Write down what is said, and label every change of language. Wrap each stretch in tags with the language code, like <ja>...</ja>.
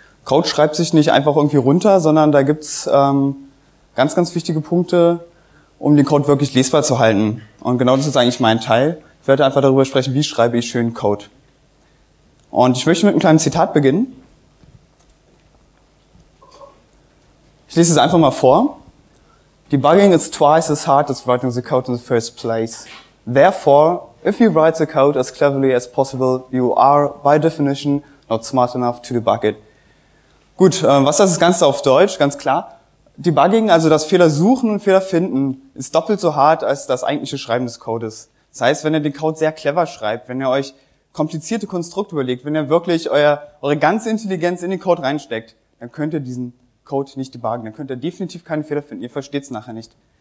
<de>Code schreibt sich nicht einfach irgendwie runter, sondern da gibt es ganz, ganz wichtige Punkte, um den Code wirklich lesbar zu halten. Und genau das ist eigentlich mein Teil. Ich werde einfach darüber sprechen, wie schreibe ich schön Code. Und ich möchte mit einem kleinen Zitat beginnen. Ich lese es einfach mal vor.</de> <en>Debugging is twice as hard as writing the code in the first place. Therefore, if you write the code as cleverly as possible, you are, by definition, not smart enough to debug it.</en> <de>Gut, was heißt das Ganze auf Deutsch? Ganz klar. Debugging, also das Fehler suchen und Fehler finden, ist doppelt so hart als das eigentliche Schreiben des Codes. Das heißt, wenn ihr den Code sehr clever schreibt, wenn ihr euch komplizierte Konstrukte überlegt, wenn ihr wirklich eure ganze Intelligenz in den Code reinsteckt, dann könnt ihr diesen Code nicht debuggen, dann könnt ihr definitiv keinen Fehler finden, ihr versteht es nachher nicht.</de>